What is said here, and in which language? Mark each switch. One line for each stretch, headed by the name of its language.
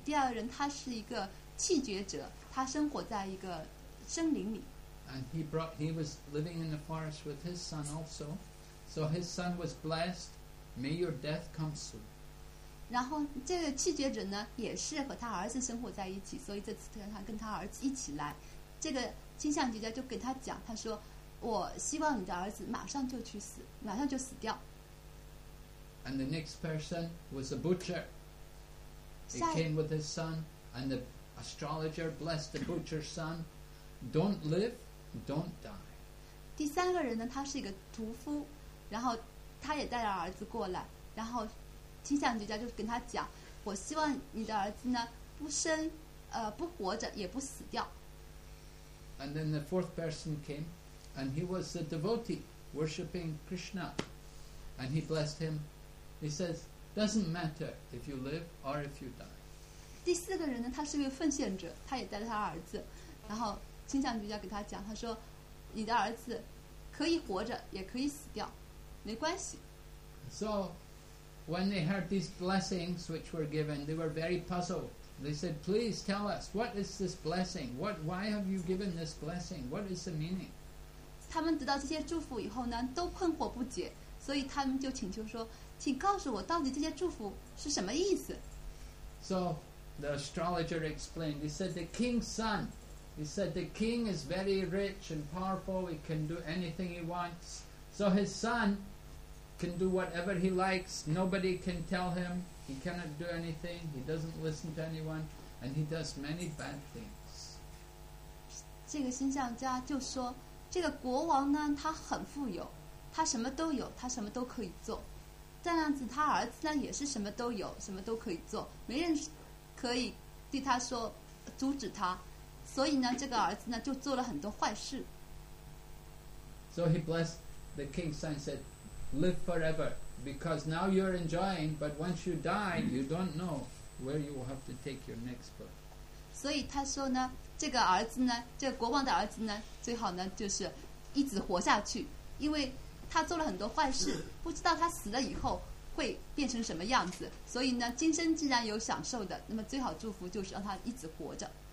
Chinese: 第二人他是一个弃绝者，他生活在一个。
English: And he was living in the forest with his son also. So his son was blessed. May your death come soon.
Chinese: 然后这个弃绝者呢，也是和他儿子生活在一起，所以这次他跟他儿子一起来。这个星象学家就跟他讲，他说：“我希望你的儿子马上就去死，马上就死掉。”
English: And the next person was a butcher. He came with his son, and the astrologer blessed the butcher's son. Don't live, don't die.
Chinese: 第三个人呢，他是一个屠夫，然后他也带了儿子过来，然后星象学家就跟他讲，我希望你的儿子呢不生，不活着也不死掉。
English: And then the fourth person came, and he was a devotee worshipping Krishna, and he blessed him. He says, doesn't matter if you live or if you die.
Chinese: 第四个人呢，他是一个奉献者，他也带了他儿子，然后。倾向比较给他讲，他说：“你的儿子可以活着，也可以死掉，没关系。”
English: So, when they heard these blessings which were given, they were very puzzled. They said, "Please tell us, what is this blessing? What? Why have you given this blessing? What is the meaning?"
Chinese: 他们得到这些祝福以后呢，都困惑不解，所以他们就请求说：“请告诉我，到底这些祝福是什么意思？”
English: So, the astrologer explained. He said, "The king's son." He said, the king is very rich and powerful. He can do anything he wants. So his son can do whatever he likes. Nobody can tell him. He cannot do anything. He doesn't listen to anyone. And he does many bad things.
Chinese: 这个星象家就说，这个国王呢，他很富有，他什么都有，他什么都可以做。这样子，他儿子呢，也是什么都有，什么都可以做。没人可以对他说，阻止他。所以呢，这个儿子呢就做了很多坏事。
English: So he blessed the king's son, said, "Live forever, because now you're enjoying. But once you die, you don't know where you will have to take your next breath."
Chinese: 所以他说呢，这个儿子呢，这个国王的儿子呢，最好呢就是一直活下去，因为他做了很多坏事，不知道他死了以后会变成什么样子。所以呢，今生既然有享受的，那么最好祝福就是让他一直活着。